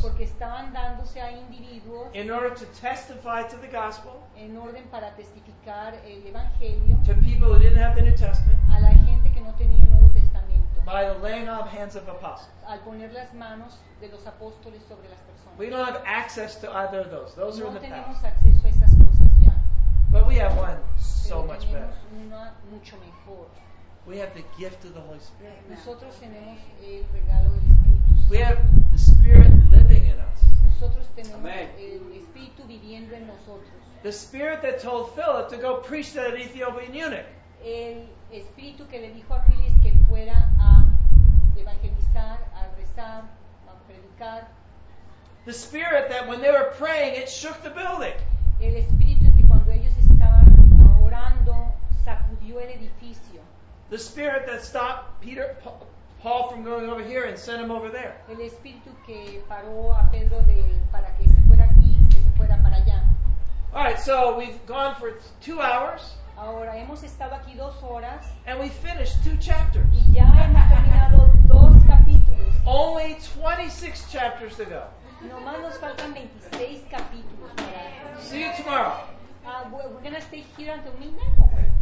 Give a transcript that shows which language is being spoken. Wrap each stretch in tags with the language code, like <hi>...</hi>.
<es>porque estaban dándose a individuos,</es> <en>in order to testify to the gospel,</en> <es>en orden para testificar el evangelio,</es> <en>to people who didn't have the New Testament,</en> <es>a la gente que no tenía el Nuevo Testamento,</es> <en>by the laying on of hands of apostles,</en> <es>al poner las manos de los apóstoles sobre las personas.</es> <en>We don't have access to either of those. Those</en> <es>no</es> <en>are in the past.</en> <es>No tenemos acceso a esas cosas ya.</es> <en>But we have one so</en> <es>pero</es> <en>much better.</en> <es>Una mucho mejor.</es> <en>We have the gift of the Holy Spirit.</en> <es>Nosotros tenemos el regalo del Espíritu Santo.</es> <en>We have the Spirit living in us.</en> <es>Nosotros tenemos</es> <en>Amen.</en> <es>El Espíritu viviendo en nosotros.</es> <en>The Spirit that told Philip to go preach to that Ethiopian eunuch.</en> <es>el espíritu que le dijo a Phyllis que fuera a evangelizar, a rezar, a predicar.</es> <en>The spirit that when they were praying, it shook the building.</en> <es>El espíritu que cuando ellos estaban orando sacudió el edificio.</es> <en>The spirit that stopped Peter, Paul from going over here and sent him over there.</en> <es>El espíritu que paró a Pedro de para que se fuera aquí, que se fuera para allá.</es> <en>All right, so we've gone for 2 hours.</en> <es>Ahora hemos estado aquí 2 horas.</es> <en>And we finished 2 chapters.</en> <es>Y ya hemos terminado 2 capítulos.</es> <en>Only 26 chapters to go.</en> <es>Nomás nos faltan 26 capítulos.</es> <en>See you tomorrow. We're gonna stay here until midnight.</en>